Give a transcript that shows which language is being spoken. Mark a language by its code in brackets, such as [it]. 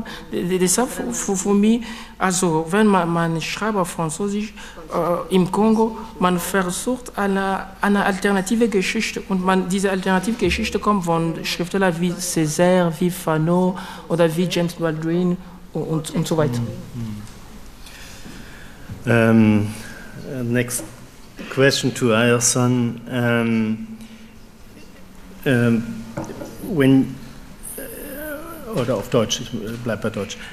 [de] deshalb für mich, also wenn man schreibt auf Französisch im Kongo, man versucht eine alternative Geschichte und diese alternative Geschichte kommt von Schriftstellern wie Césaire, wie Fanon oder wie James Baldwin und so weiter. [en] Next question to Ayerson. [de] Wenn oder auf Deutsch, ich bleib bei Deutsch.